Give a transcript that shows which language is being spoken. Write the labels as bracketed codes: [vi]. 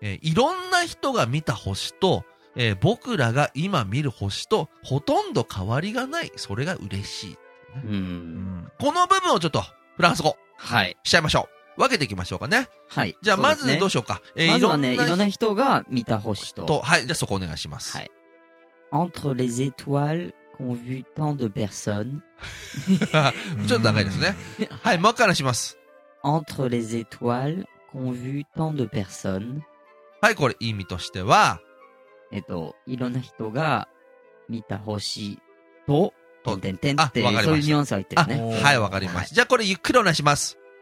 [ja] いろんな人が見た星と、僕らが今見る星と、ほとんど変わりがない、それが嬉しいっていうね。うん。この部分をちょっと、フランス語。はい。しちゃいましょう。分けていきましょうかね。はい。じゃあ、まずどうしようか。まずはね、いろんな人が見た星と。はい。じゃあ、そこお願いします。はい。 [fr] Entre les étoiles、qu'ont vu tant de personnes. [ja] ちょっと長いですね。はい、もう一回話します。 [fr] Entre les étoiles, qu'ont vu tant de personnes. [ja] はい、これ意味としては、いろんな人が見た星と、とんてんてんって、そういうニュアンスが入ってるね。はい、わかりました。じゃあこれゆっくりお願いします。